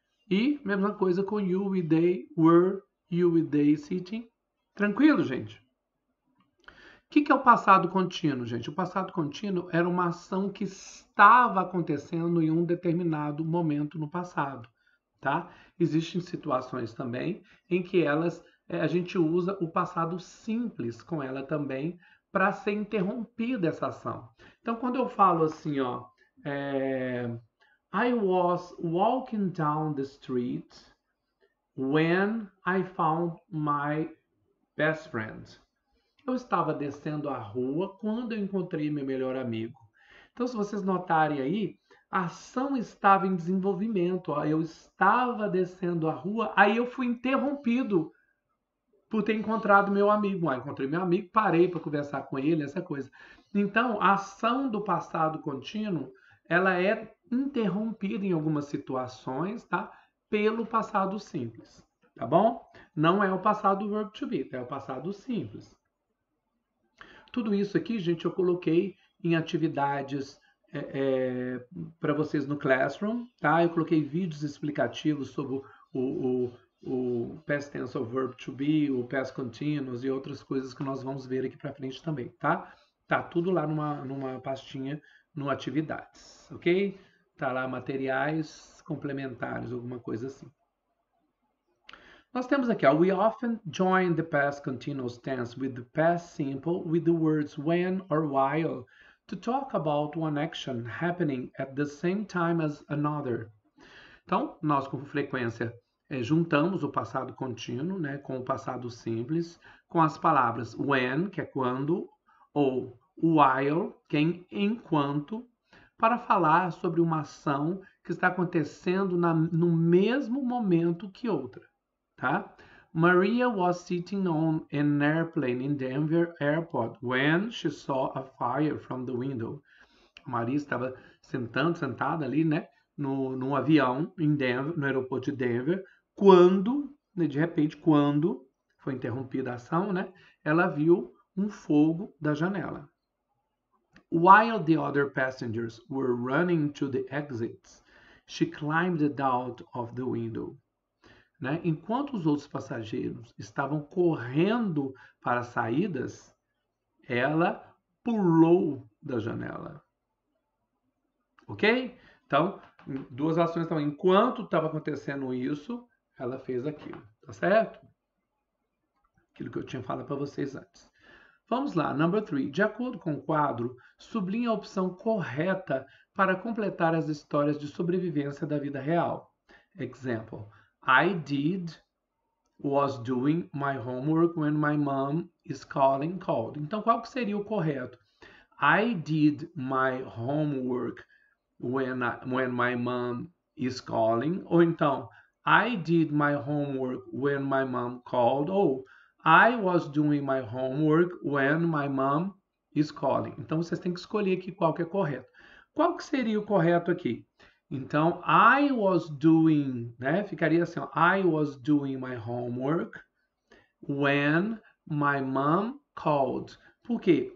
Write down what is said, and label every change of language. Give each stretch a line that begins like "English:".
Portuguese: E mesma coisa com
English: you, we, they, were you, we, they sitting.
Portuguese: Tranquilo, gente? O que, que é o passado contínuo, gente? O passado contínuo era uma ação que estava acontecendo em um determinado momento no passado, tá? Existem situações também em que elas a gente usa o passado simples com ela também para ser interrompida essa ação. Então, quando eu falo assim, ó,
English: I was walking down the street when I found my best friend.
Portuguese: Eu estava descendo a rua quando eu encontrei meu melhor amigo. Então, se vocês notarem aí, a ação estava em desenvolvimento. Ó. Eu estava descendo a rua, aí eu fui interrompido por ter encontrado meu amigo. Ó, encontrei meu amigo, parei para conversar com ele, essa coisa. Então, a ação do passado contínuo, ela é interrompida em algumas situações, tá? Pelo passado simples, tá bom? Não é o passado do verbo to be, é o passado simples. Tudo isso aqui, gente, eu coloquei em atividades para vocês no Classroom, tá? Eu coloquei vídeos explicativos sobre o past tense of verb to be, o past continuous e outras coisas que nós vamos ver aqui para frente também, tá? Tá tudo lá numa pastinha no Atividades, ok? Tá lá materiais complementares, alguma coisa assim.
English: Nós temos aqui, ó, we often join the past continuous tense with the past simple with the words when or while to talk about one action happening at the same time as another.
Portuguese: Então, nós com frequência juntamos o passado contínuo, né, com o passado simples, com as palavras when, que é quando, ou while, que é enquanto, para falar sobre uma ação que está acontecendo no mesmo momento que outra. Tá?
English: Maria was sitting on an airplane in Denver Airport when she saw a fire from the window.
Portuguese: Maria estava sentada ali, né, no avião em Denver, no aeroporto de Denver, quando, né, de repente, quando foi interrompida a ação, né, ela viu um fogo da janela.
English: While the other passengers were running to the exits, she climbed out of the window.
Portuguese: Né? Enquanto os outros passageiros estavam correndo para as saídas, ela pulou da janela. Ok? Então, duas ações também. Enquanto estava acontecendo isso, ela fez aquilo. Tá certo? Aquilo que eu tinha falado para vocês antes. Vamos lá, number three. De acordo com o quadro, sublinhe a opção correta para completar as histórias de sobrevivência da vida real.
English: Exemplo. I did was doing my homework when my mom is calling called.
Portuguese: Então, qual que seria o correto?
English: I did my homework when my mom is calling. Ou então, I did my homework when my mom called. Ou I was doing my homework when my mom is calling.
Portuguese: Então, vocês têm que escolher aqui qual que é correto. Qual que seria o correto aqui? Então,
English: I was doing, né?
Portuguese: Ficaria assim, ó, I was doing my homework when my mom called. Por quê?